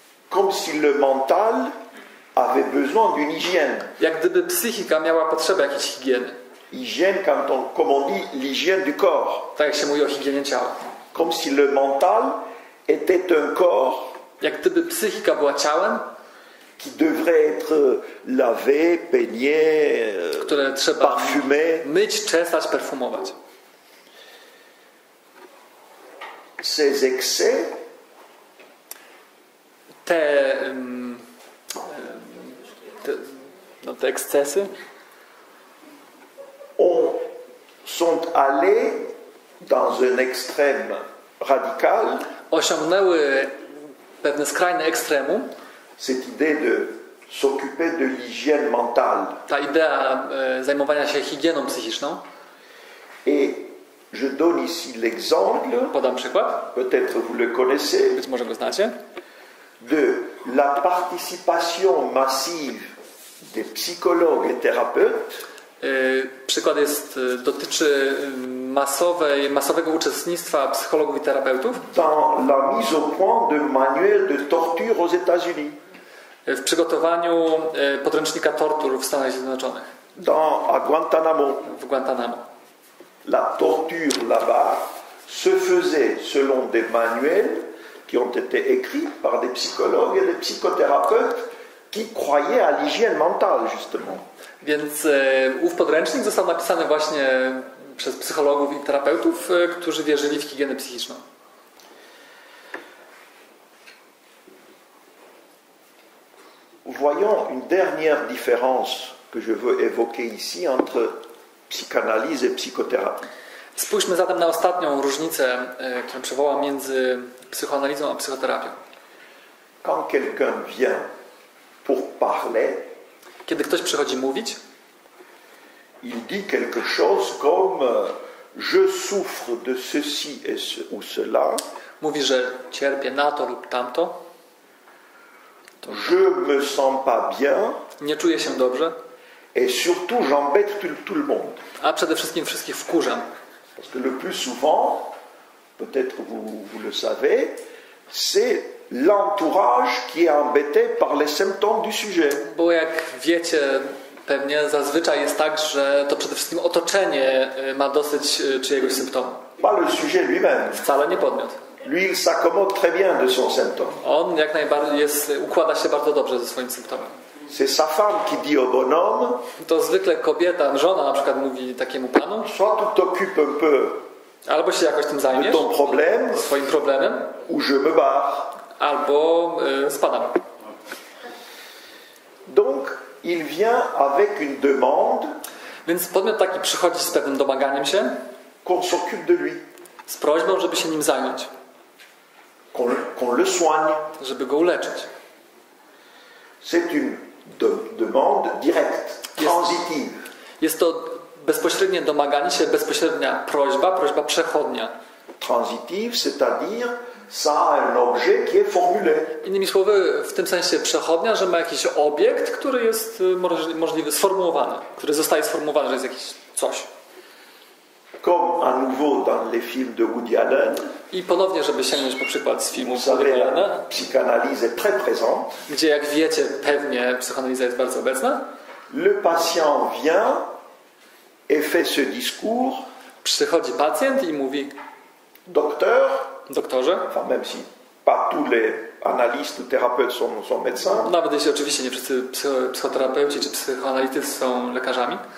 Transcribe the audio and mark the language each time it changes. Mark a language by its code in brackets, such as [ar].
[fr] Comme si le mental avait besoin d'une hygiène. [pl] Jak gdyby psychika miała potrzebę jakiejś higieny. [fr] Hygiène, quand on, comme on dit, l'hygiène du corps. [pl] Tak jak się mówi o higienie ciała. [fr] Comme si le mental était un corps. [pl] Jak gdyby psychika była ciałem. [fr] Qui devrait être lavé, peigné, [pl] które trzeba [fr] parfumé. [pl] Myć, czesać, perfumować. [fr] Ces excès, [pl] te ekscesy, [fr] sont allés dans un extrême radical. [pl] Osiągnęły pewne skrajne ekstremum. [fr] Cette idée de s'occuper de l'hygiène mentale. [pl] Ta idea zajmowania się higieną psychiczną. [fr] Et je donne ici l'exemple. [pl] Podam przykład. [fr] Peut-être vous le connaissez. [pl] Być może go znacie. [fr] De la participation massive des psychologues et thérapeutes. [pl] Przykład jest dotyczy masowego uczestnictwa psychologów i terapeutów. [fr] Dans la mise au point de manuel de torture aux États-Unis. [pl] W przygotowaniu podręcznika tortur w Stanach Zjednoczonych. [fr] Dans Guantanamo. [pl] W Guantanamo. [fr] La torture là-bas se faisait selon des manuels qui ont été écrits par des psychologues et des psychothérapeutes qui croyaient à l'hygiène mentale justement. [pl] Więc ów podręcznik został napisany właśnie przez psychologów i terapeutów, którzy wierzyli w higienę psychiczną. [fr] Voyons une dernière différence que je veux évoquer ici entre psychanalyse et psychothérapie. [pl] Spójrzmy zatem na ostatnią różnicę, którą przywołam między psychoanalizą a psychoterapią. [fr] Quand quelqu'un vient pour parler, [pl] kiedy ktoś przychodzi mówić, [fr] il dit quelque chose comme je souffre de ceci et ce, ou cela. [pl] Mówi, że cierpię na to lub tamto. [fr] Je me sens pas bien. [pl] Nie czuję się dobrze. [fr] Et surtout j'embête tout le monde. [pl] A przede wszystkim wszystkich wkurzam. [fr] Parce que le plus souvent, peut-être vous le savez, c'est l'entourage qui est embêté par les symptômes du sujet. [pl] Bo jak wiecie, pewnie zazwyczaj jest tak, że to przede wszystkim otoczenie ma dosyć czyjegoś symptomu. [fr] Pas le sujet lui-même. [pl] Wcale nie podmiot. [fr] Lui il s'accommode très bien de son symptôme. [pl] On jak najbardziej jest, układa się bardzo dobrze ze swoim symptomem. [fr] C'est sa femme qui dit au bonhomme. [pl] To zwykle kobieta, żona na przykład mówi takiemu panu. [fr] Soit tu t'occupes un peu. [pl] Albo się jakoś tym zajmiesz. [fr] De ton problème. [pl] Swoim problemem. [fr] Ou je me barre. [pl] Albo spadam. [fr] Donc il vient avec une demande. [pl] Więc podmiot taki przychodzi z pewnym domaganiem się. [fr] Qu'on s'occupe de lui. [pl] Z prośbą, żeby się nim zająć. [fr] Qu'on le soigne. [pl] Żeby go uleczyć. [fr] C'est une demande directe, transitive. [pl] Jest to bezpośrednie domaganie się, bezpośrednia prośba, prośba przechodnia. [fr] Transitive, c'est-à-dire ça a un objet qui est formulé. [pl] Innymi słowy, w tym sensie przechodnia, że ma jakiś obiekt, który jest możliwy, sformułowany, który zostaje sformułowany, że jest jakiś coś. [fr] Comme à nouveau dans les films de Woody Allen. [pl] I ponownie, żeby sięgnąć po przykład z filmu [fr] Woody Allena, psychanalyse est très présente. [pl] Gdzie, jak wiecie, pewnie psychanalyza jest bardzo obecna. [fr] Le patient vient et fait ce discours. [pl] Przychodzi pacjent i mówi: [fr] docteur, [pl] doktorze. [fr] Enfin, même si pas tous les analystes ou thérapeutes sont médecins. [pl] Nawet jeśli oczywiście nie wszyscy psychoterapeuci czy psychoanalitycy są lekarzami.